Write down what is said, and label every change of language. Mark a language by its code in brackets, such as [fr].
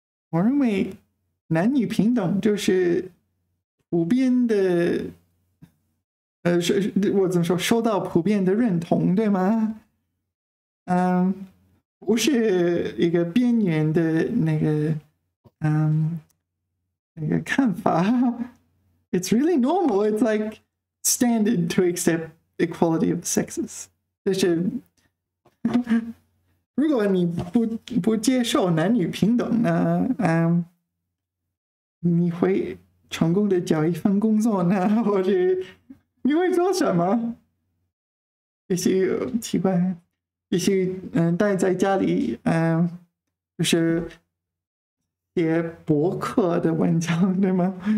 [zh] 我认为男女平等就是普遍的我怎么说，受到普遍的认同，对吗？不是一个边缘的那个看法。 [en] It's really normal. It's like standard to accept equality of sexes. [zh] 就是如果你不接受男女平等呢，你会成功的找一份工作呢，或者你会做什么？也许奇怪，也许待在家里，就是写博客的文章，对吗？